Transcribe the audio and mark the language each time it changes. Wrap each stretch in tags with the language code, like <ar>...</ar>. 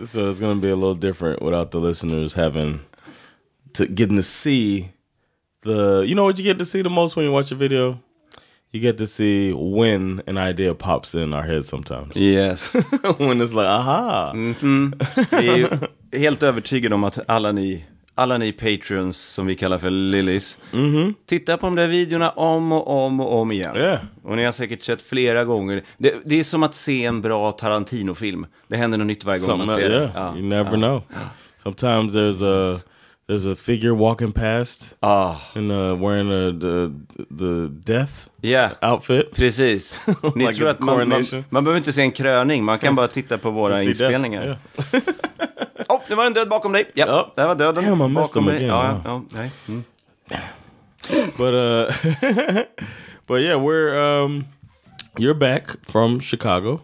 <en>So it's going to be a little different without the listeners having to getting to see... The you know what you get to see the most when you watch a video? You get to see when an idea pops in our head sometimes. Yes. When it's like, aha.</en> <sv>Mm-hmm. Vi är helt övertygade om att alla ni patrons som vi kallar för Lillis, mm-hmm, tittar på de där videorna om och om och om igen.</sv> <en>Yeah.</en> <sv>Och ni har säkert sett flera gånger. Det är som att se en bra Tarantino-film. Det händer något nytt varje gång man ser det.</sv> <en>Yeah. Ja. You never know. Ja. Sometimes there's a... There's a figure walking past, and wearing the death, yeah, outfit.</en> <sv>Precis. Ni like tror att man behöver inte se en kröning. Man kan bara titta på våra inspelningar.</sv> <en>Yeah.</en> <sv>Oh, det var en död bakom dig. Ja, yep. Det var döden.</sv> <en>Damn, I missed them again.</en> <sv>Ja, wow. Ja, nej. Mm.</sv> <en>but yeah, we're you're back from Chicago.</en>